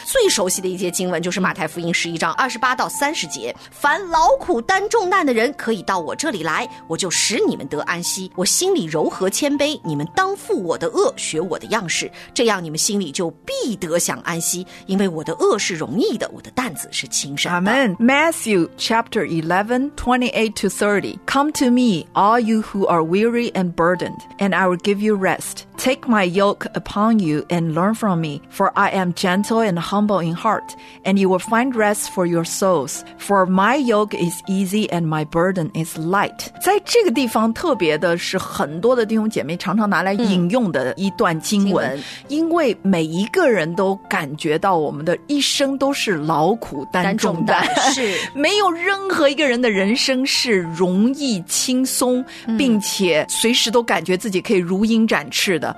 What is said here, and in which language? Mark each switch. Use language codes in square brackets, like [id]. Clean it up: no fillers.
[zh] 最熟悉的一节经文就是马太福音11章28到30节，凡劳苦担重担的人可以到我这里来，我就使你们得安息，我心里柔和谦卑，你们当负我的恶，学我的样式，这样你们心里就必得享安息，因为我的恶是容易的，我的担子是轻省的。 [en] Amen. Matthew chapter 11, 28 to 30. Come to me, all you who are weary and burdened, and I will give you rest. Take my yoke upon you and learn from me, for I am gentle and humble in heart, and you will find rest for your souls. For my yoke is easy and my burden is light. [zh] 在这个地方特别的是很多的弟兄姐妹常常拿来引用的一段经文，因为每一个人都感觉到我们的一生都是劳苦担重担，是没有任何一个人的人生是容易轻松，并且随时都感觉自己可以如鹰展翅的。